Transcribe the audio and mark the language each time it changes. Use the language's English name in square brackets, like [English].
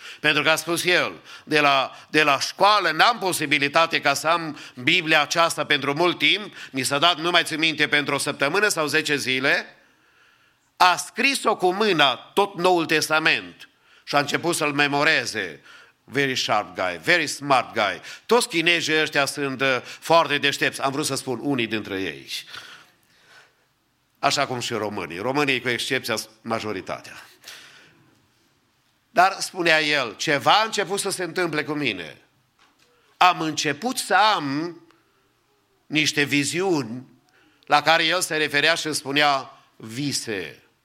[Romanian] Pentru că a spus el, de la școală n-am posibilitate ca să am Biblia aceasta pentru mult timp, mi s-a dat, nu mai țin minte, pentru o săptămână sau 10 zile, a scris-o cu mâna tot Noul Testament și a început să-l memoreze. [English] Very sharp guy, very smart guy. [Romanian] Toți chinezii ăștia sunt foarte deștepți, am vrut să spun unii dintre ei. Așa cum și românii. Românii, cu excepția, majoritatea. Dar spunea el, ceva a început să se întâmple cu mine. Am început să am niște viziuni la care el se referea și spunea vise.